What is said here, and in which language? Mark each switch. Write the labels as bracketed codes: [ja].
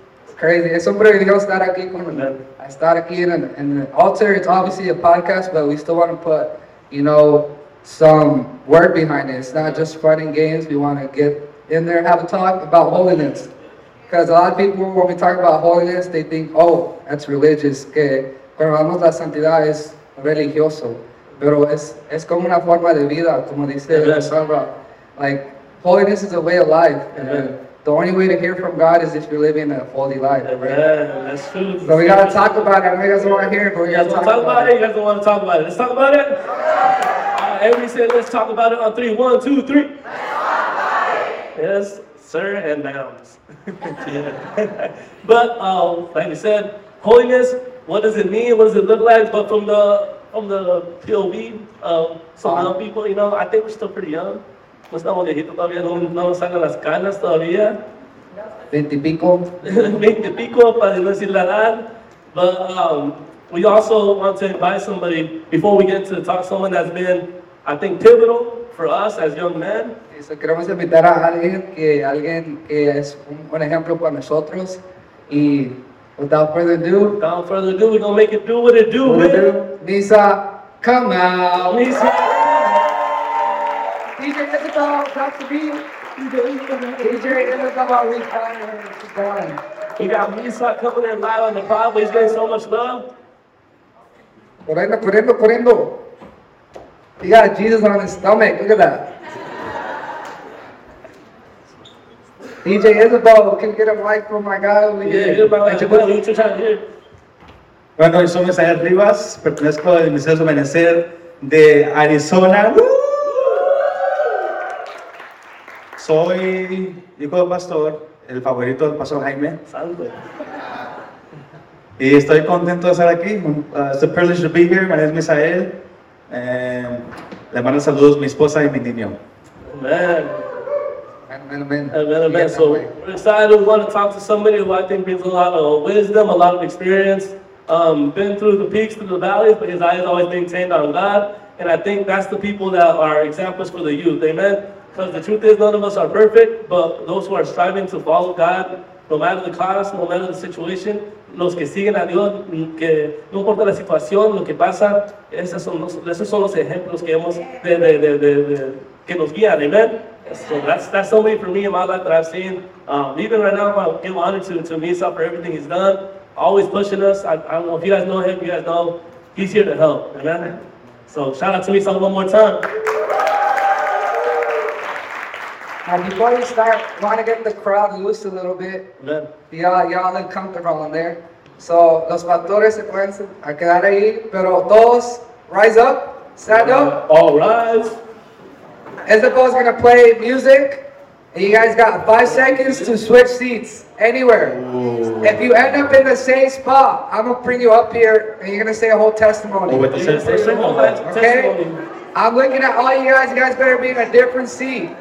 [en] It's crazy. [es] Es un privilegio estar aquí en [en] the altar. It's obviously a podcast, but we still want to put, you know, some word behind it. It's not just fun and games. We want to get in there and have a talk about holiness. Because a lot of people, when we talk about holiness, they think, oh, that's religious. [es] Que cuando hablamos de santidad es religioso, pero es como una forma de vida, como dice el Salva. [en] Like, holiness is a way of life. The only way to hear from God is if you're living a holy life. Right? That's true. So we gotta talk about it. I know you guys don't wanna hear it, but we gotta talk about it. You guys don't wanna talk about it. Let's talk about it. Everybody say, let's talk about it on three. One, two, three. Let's talk about it. Yes, sir, and bounds. Yeah. But, like you said, holiness. What does it mean? What does it look like? But from the POV of some young people, you know, I think we're still pretty young. [es] No estamos viejitos todavía, no nos salen las canas todavía. Veinte pico, para decir la edad. [en] But we also want to invite somebody, before we get to talk, someone that's been, I think, pivotal for us as young men. [es] Eso, queremos invitar a alguien que es un ejemplo para nosotros. [en] Y Without further ado, we're going to make it do what it do, man. Misa, come out. Misa. DJ Isabel, proud to be. DJ Isabel, we found her. We got Misa coming in live on the pod. We're getting so much love. [es] Corriendo. [en] He got Jesus on his stomach. Look at that. DJ Isabel, can you get a mic for my guy? Yeah, you're about to put a YouTube channel here. [es] Bueno, yo soy Misael Rivas, pertenezco al Ministerio de Menecer de Arizona. Soy hijo del pastor, el favorito del pastor Jaime. Salve. Y estoy contento de estar aquí. [en] It's a privilege to be here. My name is Misael. [es] Le mando saludos a mi esposa y mi niño. [en] Amen. Amen. So we're excited. We want to talk to somebody who I think brings a lot of wisdom, a lot of experience. Been through the peaks, through the valleys, but his eyes always maintained on God. And I think that's the people that are examples for the youth. Amen. Because the truth is, none of us are perfect, but those who are striving to follow God, no matter the cost, no matter the situation, [es] los que siguen a Dios, que no importa la situación, lo que pasa, esos son los ejemplos que hemos que nos guían. [en] Amen. So that's somebody for me in my life that I've seen. Even right now, I give honor to Misa for everything he's done. always pushing us. I don't know if you guys know him, you guys know he's here to help. Amen. So shout out to Misa one more time. And before you start, I want to get the crowd loose a little bit. Amen. Y'all look comfortable in there. [es] So, los pastores se pueden a quedar ahí, pero todos, [en] rise up, stand up. All rise. Isabel's going to play music, and you guys got 5 seconds to switch seats anywhere. Ooh. If you end up in the same spot, I'm going to bring you up here, and you're going to say a whole testimony. Oh, with the same person? Okay? I'm looking at all you guys better be in a different seat.